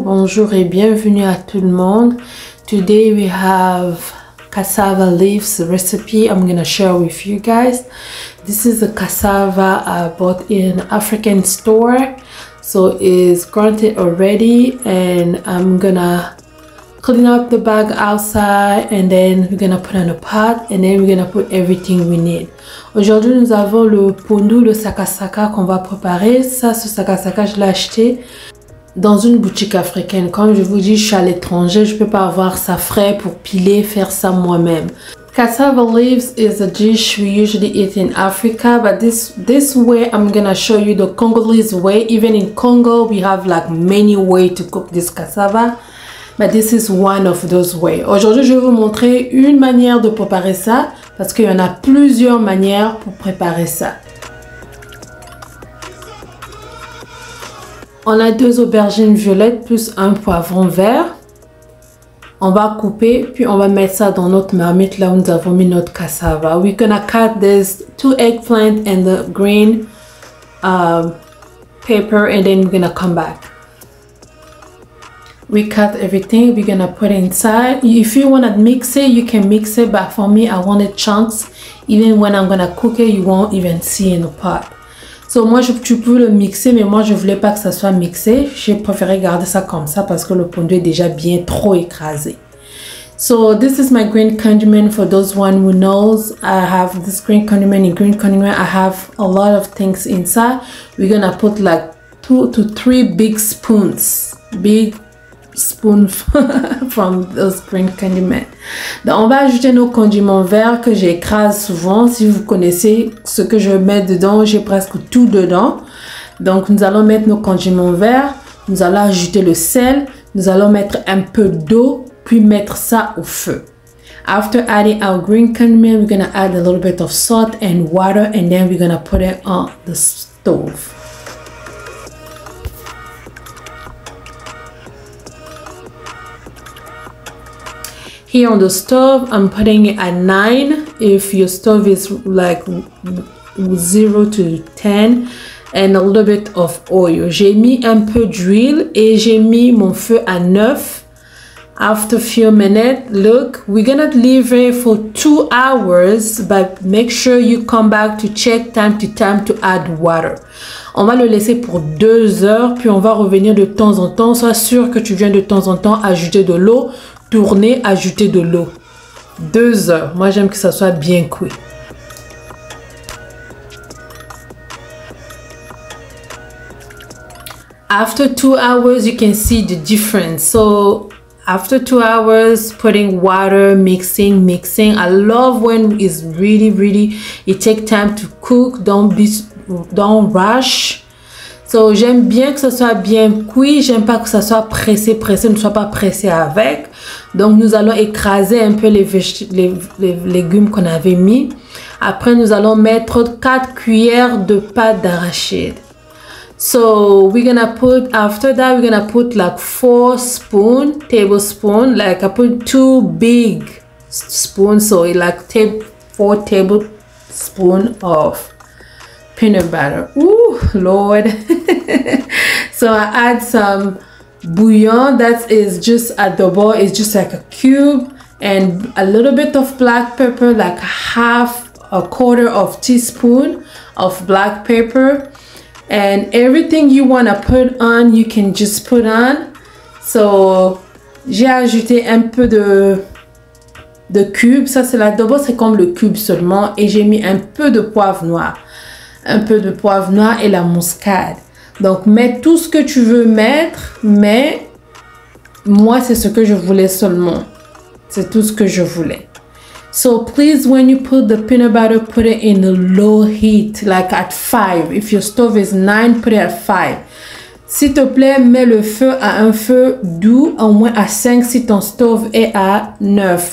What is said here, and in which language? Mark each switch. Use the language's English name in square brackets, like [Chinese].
[French] Bonjour et bienvenue à tout le monde. [English] Today we have cassava leaves recipe I'm gonna share with you guys. This is a cassava I bought in African store, so it's grated already, and I'm gonna clean up the bag outside, and then we're gonna put in a pot, and then we're gonna put everything we need. [French] Aujourd'hui, nous avons le pondu, le saka qu'on va préparer. Ça, ce saka, je l'ai acheté dans une boutique africaine. Comme je vous dis, je suis à l'étranger, je peux pas avoir ça frais pour piler, faire ça moi-même. [English] Cassava leaves is a dish we usually eat in Africa, but this way I'm gonna show you the Congolese way. Even in Congo, we have like many ways to cook this cassava. But this is one of those ways. [French] Aujourd'hui, je vais vous montrer une manière de préparer ça parce qu'il y en a plusieurs manières pour préparer ça. On a deux aubergines violettes plus un poivron vert. On va couper, puis on va mettre ça dans notre marmite là où nous avons mis notre cassava. [English] We're gonna cut this two eggplant and the green paper, and then we're gonna come back. We cut everything, we're gonna put it inside. If you wanna mix it, you can mix it, but for me, I want it chunks. Even when I'm gonna cook it, you won't even see in the pot. [French] So moi, tu peux le mixer, mais moi, je voulais pas que ça soit mixé. J'ai préféré garder ça comme ça parce que le pondu est déjà bien trop écrasé. [English] So this is my green condiment. For those one who knows, I have this green condiment. In green condiment, I have a lot of things inside. We're gonna put like 2 to 3 big spoons. Big spoon from those green condiments. [French] Donc on va ajouter nos condiments verts que j'écrase souvent. Si vous connaissez ce que je mets dedans, j'ai presque tout dedans. Donc nous allons mettre nos condiments verts, nous allons ajouter le sel, nous allons mettre un peu d'eau, puis mettre ça au feu. [English] After adding our green condiment, we're gonna add a little bit of salt and water, and then we're gonna put it on the stove. Here on the stove, I'm putting it at 9. If your stove is like 0 to 10, and a little bit of oil. [French] J'ai mis un peu d'huile et j'ai mis mon feu à 9. After a few minutes, look, we're gonna leave it for 2 hours, but make sure you come back to check time to time to add water. On va le laisser pour 2 heures, puis on va revenir de temps en temps. Sois sûr que tu viens de temps en temps ajouter de l'eau. Tourner, ajouter de l'eau. 2 heures. Moi, j'aime que ça soit bien cuit. [English] After 2 hours, you can see the difference. So, after 2 hours, putting water, mixing. I love when it's really, really, it takes time to cook. Don't rush. [French] So, j'aime bien que ça soit bien cuit. J'aime pas que ça soit pressé. Ne sois pas pressé avec. Donc, nous allons écraser un peu les légumes qu'on avait mis. Après, nous allons mettre 4 cuillères de pâte d'arachide. [English] So, after that, we're gonna put like 4 tablespoons. Like, I put 2 big spoons. So, like 4 tablespoons of peanut butter. Ooh, Lord. So, I add some bouillon that is just adobo, it's just like a cube, and a little bit of black pepper, like ¼ teaspoon of black pepper, and everything you want to put on, you can just put on. [French] So j'ai ajouté un peu de cube, ça c'est l'adobo, c'est comme le cube seulement, et j'ai mis un peu de poivre noir, un peu de poivre noir et la muscade. Donc, mets tout ce que tu veux mettre, mais moi, c'est ce que je voulais seulement. C'est tout ce que je voulais. [English] So, please, when you put the peanut butter, put it in a low heat, like at 5. If your stove is 9, put it at 5. [French] S'il te plaît, mets le feu à un feu doux, au moins à 5 si ton stove est à 9.